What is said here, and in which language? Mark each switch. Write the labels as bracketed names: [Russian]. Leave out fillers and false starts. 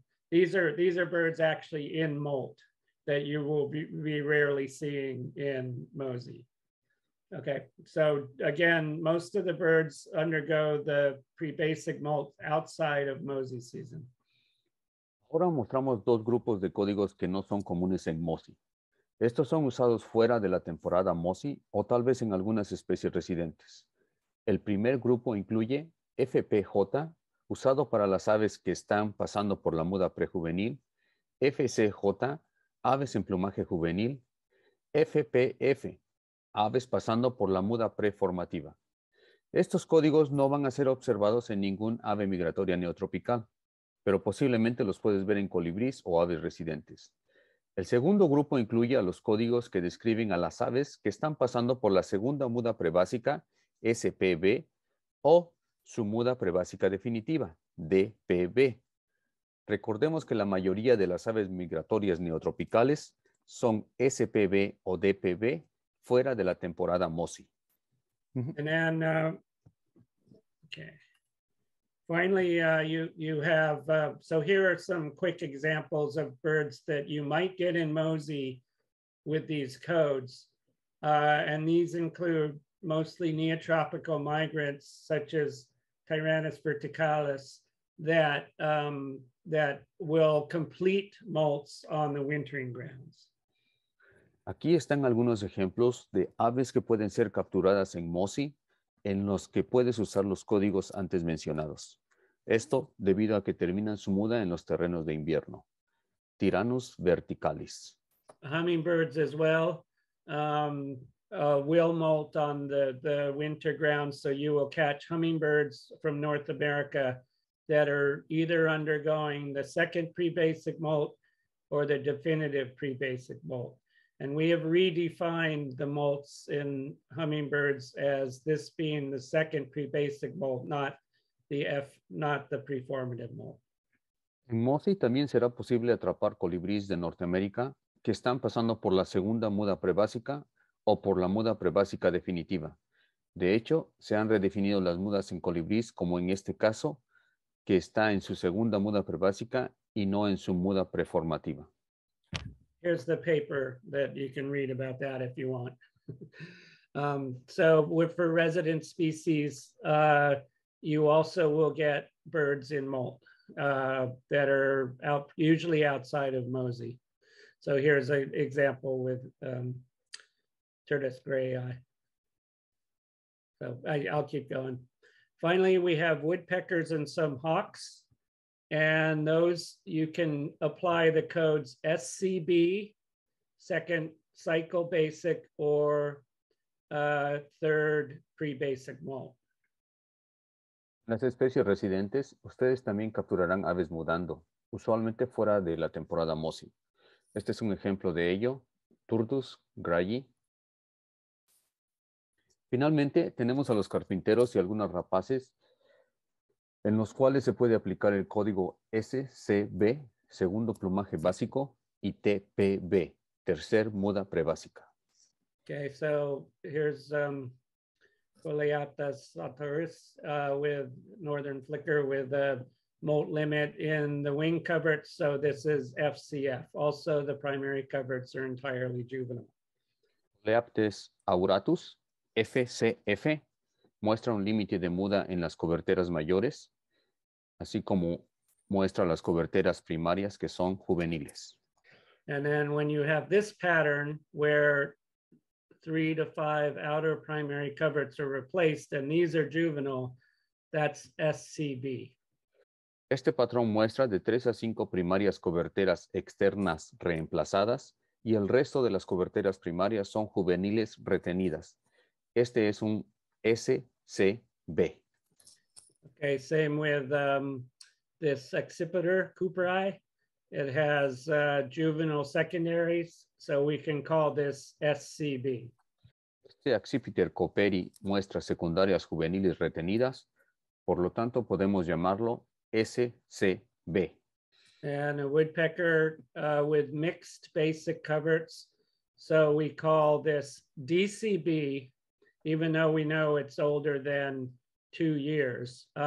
[English] These are birds actually in molt that you will be rarely seeing in MoSI. Okay, so again, most of the birds undergo the pre-basic molt outside of MoSI season. [Spanish] Ahora mostramos dos grupos de códigos que no son comunes en MoSI. Estos son usados fuera de la temporada MoSI o tal vez en algunas especies residentes. El primer grupo incluye FPJ, usado para las aves que están pasando por la muda prejuvenil, FCJ, aves en plumaje juvenil, FPF, aves pasando por la muda preformativa. Estos códigos no van a ser observados en ningún ave migratoria neotropical, pero posiblemente los puedes ver en colibríes o aves residentes. El segundo grupo incluye a los códigos que describen a las aves que están pasando por la segunda muda prebásica, SPB, o su muda prebásica definitiva, DPB. Recordemos que la mayoría de las aves migratorias neotropicales son SPB o DPB fuera de la temporada MoSI. [English] And then, finally, you have, so here are some quick examples of birds that you might get in MoSI with these codes. And these include mostly neotropical migrants such as Tyrannus verticalis that will complete molts on the wintering grounds. [Spanish] Aquí están algunos ejemplos de aves que pueden ser capturadas en MoSI en los que puedes usar los códigos antes mencionados. Esto debido a que terminan su muda en los terrenos de invierno. Tyrannus verticalis. [English] Hummingbirds as well will molt on the winter ground, so you will catch hummingbirds from North America that are either undergoing the second pre-basic molt or the definitive pre-basic molt. And we have redefined the molts in hummingbirds as this being the second pre-basic molt, not the preformative molt. [Spanish] En MoSI también será posible atrapar colibríes de Norteamérica que están pasando por la segunda muda prebásica o por la muda prebásica definitiva. De hecho, se han redefinido las mudas en colibríes, como en este caso, que está en su segunda muda prebásica y no en su muda preformativa. [English] Here's the paper that you can read about that if you want. For resident species, you also will get birds in molt that are usually outside of MoSI. So here's an example with Turtus gray eye. So I'll keep going. Finally, we have woodpeckers and some hawks. And those you can apply the codes SCB, second cycle basic, or third pre-basic molt. [Spanish] Las especies residentes, ustedes también capturarán aves mudando, usualmente fuera de la temporada MoSI. Este es un ejemplo de ello, Turtus gray. Finalmente, tenemos a los carpinteros y algunas rapaces en los cuales se puede aplicar el código SCB, segundo plumaje básico, y TPB, tercer muda prebásica. [English] Okay, so here's Coleoptes auroris with northern flicker with a molt limit in the wing coverts, so this is FCF. Also, the primary coverts are entirely juvenile. Coleoptes auratus. [Spanish] FCF muestra un límite de muda en las coberteras mayores, así como muestra las coberteras primarias que son juveniles. [English] And then when you have this pattern where 3 to 5 outer primary coverts are replaced and these are juvenile, that's SCB. [Spanish] Este patrón muestra de 3 a 5 primarias coberteras externas reemplazadas y el resto de las coberteras primarias son juveniles retenidas. Este es un SCB. [English] Okay, same with this occipiter, Cooperi. It has juvenile secondaries, so we can call this SCB. [Spanish] Este occipiter Cooperi muestra secundarias juveniles retenidas, por lo tanto podemos llamarlo SCB. [English] And a woodpecker with mixed basic coverts, so we call this DCB, even though we know it's older than 2 years.